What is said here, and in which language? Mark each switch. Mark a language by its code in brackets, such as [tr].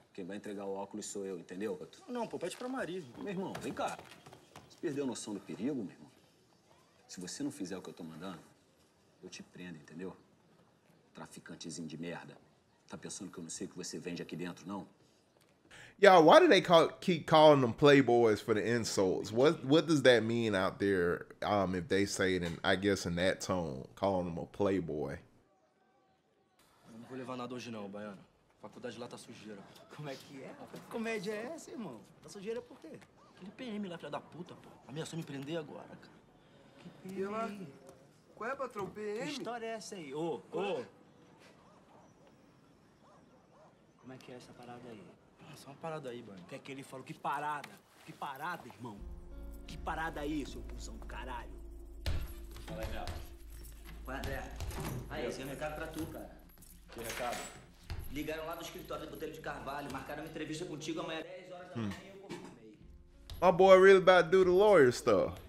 [pt] Quem vai entregar o óculos sou eu, entendeu? Não, não pô, pede pra Maria. Meu irmão, vem cá. Você perdeu a noção do perigo, meu irmão? Se você não fizer o que eu tô mandando, eu te prendo, entendeu? Traficantezinho de merda. Tá pensando que eu não sei o que você vende aqui dentro, não? [en] Y'all, why do they keep calling them playboys for the insults? What does that mean out there if they say it, in that tone, calling them a playboy? [pt] Eu não vou levar nada hoje não, Baiano. A faculdade lá tá sujeira. Como é que é? Que comédia é essa, irmão? Tá sujeira por quê? Aquele PM lá, filha da puta, pô. Ameaçou me prender agora, cara. Que PM? E ela... Qual é, patrão? PM? Que história é essa aí? Ô, ô! Como é que é essa parada aí? Só uma parada aí, mano. Quer que ele fale? Que parada? Que parada, irmão? Que parada aí, seu cuzão do caralho? Fala aí, Léo. Oi, André. Aí, esse é um recado pra tu, cara. Que recado? Ligaram lá no escritório do Botelho de Carvalho, marcaram uma entrevista contigo amanhã às 10 horas da manhã e eu confirmei. [en] My boy really about to do the lawyer stuff.